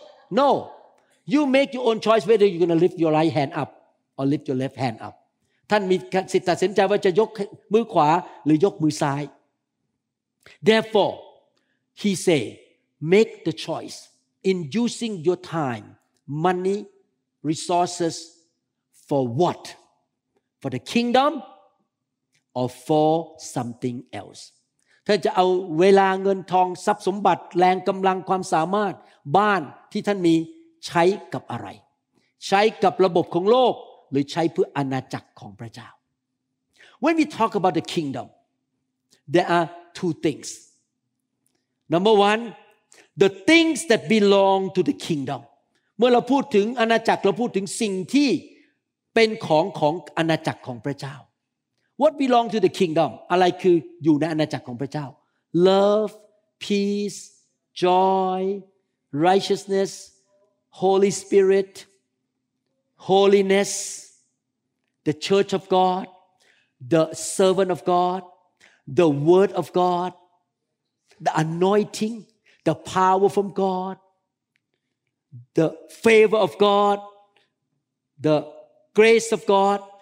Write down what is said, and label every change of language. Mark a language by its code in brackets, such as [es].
[en] No. You make your own choice whether you're going to lift your right hand up or lift your left hand up. [th] ท่านมีสิทธิ์ตัดสินใจว่าจะยกมือขวาหรือยกมือซ้าย [en] Therefore, he say, make the choice. In using your time, money, resources, for what? For the kingdom or for something else? [th] ท่านจะเอาเวลาเงินทองทรัพย์สมบัติแรงกำลังความสามารถบ้านที่ท่านมีใช้กับอะไรใช้กับระบบของโลกหรือใช้เพื่ออาณาจักรของพระเจ้า [en] When we talk about the kingdom, there are two things. Number one,The things that belong to the kingdom. [th] เมื่อเราพูดถึงอาณาจักรเราพูดถึงสิ่งที่เป็นของของอาณาจักรของพระเจ้า [en] What belong to the kingdom? [th] อะไรคืออยู่ในอาณาจักรของพระเจ้า [en] Love, peace, joy, righteousness, Holy Spirit, holiness, the church of God, the servant of God, the word of God, the anointing, the power from God, the favor of God, the grace of God.